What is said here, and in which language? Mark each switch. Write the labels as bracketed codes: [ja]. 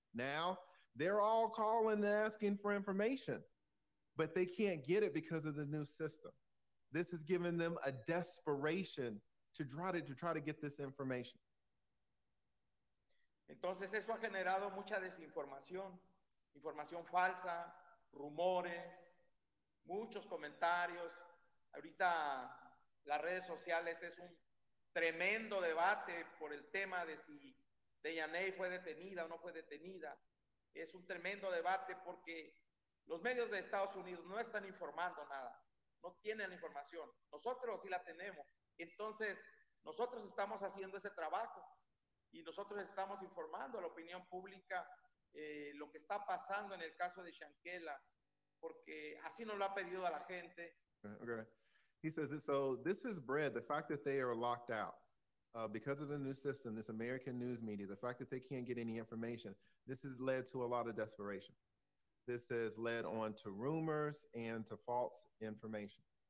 [en] Now, they're all calling and asking for information, but they can't get it because of the new system. This has given them a desperation to try to get this information. [es] Entonces eso ha generado mucha desinformación, información falsa, rumores, muchos comentarios. Ahorita las redes sociales es un tremendo debate por el tema de si Daejhanae fue detenida o no fue detenida. Es un tremendo debate porque los medios de Estados Unidos no están informando nada, no tienen la información. Nosotros sí la tenemos. Entonces nosotros estamos haciendo ese trabajo. Y nosotros estamos informando a la opinión pública lo que está pasando en el caso de Shankela, porque así nos lo ha pedido a la gente. [en] Okay. He says, so this is bread, the fact that they are locked out because of the new system, this American news media, the fact that they can't get any information, this has led to a lot of desperation. This has led on to rumors and to false information.